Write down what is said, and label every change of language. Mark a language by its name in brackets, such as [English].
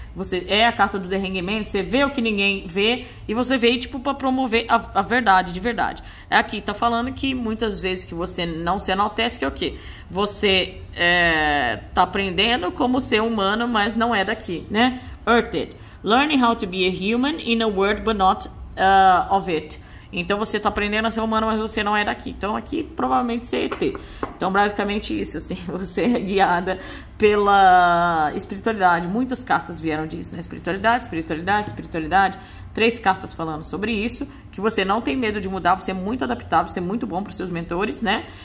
[Portuguese] Você é a carta do derrengamento, você vê o que ninguém vê e você veio tipo para promover a verdade, de verdade. É aqui, tá falando que muitas vezes que você não se enaltece, que é o quê? Você tá aprendendo como ser humano, mas não é daqui, né? [English] Earthed. Learning how to be a human in a world but not of it. [Portuguese] Então você tá aprendendo a ser humano, mas você não é daqui. Então aqui provavelmente você é ET. Então basicamente isso, assim, você é guiada pela espiritualidade. Muitas cartas vieram disso, né? Espiritualidade, espiritualidade, espiritualidade. Três cartas falando sobre isso, que você não tem medo de mudar, você é muito adaptável, você é muito bom para os seus mentores, né?